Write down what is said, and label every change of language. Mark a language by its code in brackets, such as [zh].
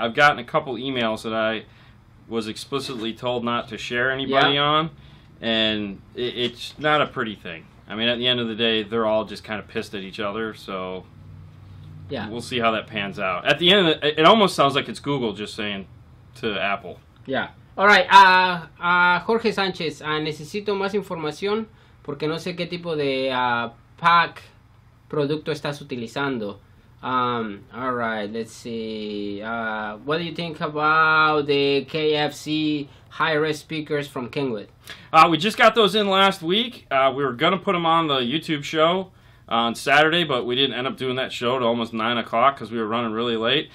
[en] I've gotten a couple emails that I was explicitly told not to share anybody on, and it's not a pretty thing. I mean, at the end of the day, they're all just kind of pissed at each other, so we'll see how that pans out. At the end of the, it almost sounds like it's Google just saying to Apple. Yeah. [es] All right, Jorge Sánchez, necesito más información porque no sé qué tipo de pack producto estás utilizando. [en] All right, let's see. What do you think about the KFC high-res speakers from Kenwood? We just got those in last week. We were going to put them on the YouTube show on Saturday, but we didn't end up doing that show at almost 9 o'clock because we were running really late.